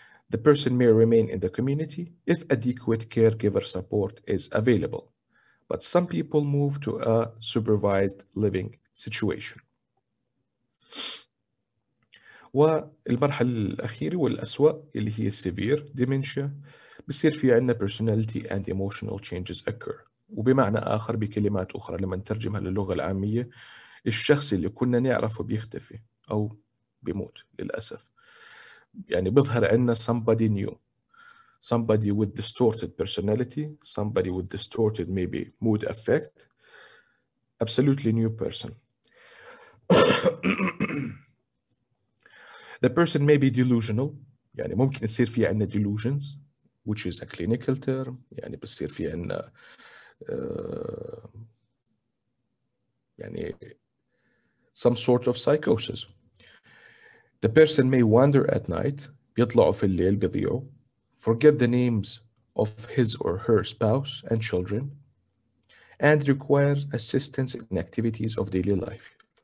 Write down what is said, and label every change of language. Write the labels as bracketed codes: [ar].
[en] The person may remain in the community if adequate caregiver support is available, but some people move to a supervised living situation. [ar] والمرحلة الأخيرة والأسوأ اللي هي severe dementia بصير في عندنا [en] personality and emotional changes occur. [ar] وبمعنى آخر بكلمات أخرى لما نترجمها للغة العامية، الشخص اللي كنا نعرفه بيختفي أو بيموت للأسف. يعني بظهر عندنا [en] somebody new, somebody with distorted personality, somebody with distorted maybe mood effect, absolutely new person. The person may be delusional. [ar] يعني ممكن يصير في عندنا [en] delusions, which is a clinical term. [ar] يعني بصير في عندنا يعني [en] some sort of psychosis. The person may wander at night, [ar] بيطلعوا في الليل بيضيعوا, [en] forget the names of his or her spouse and children, and requires assistance in activities of daily life.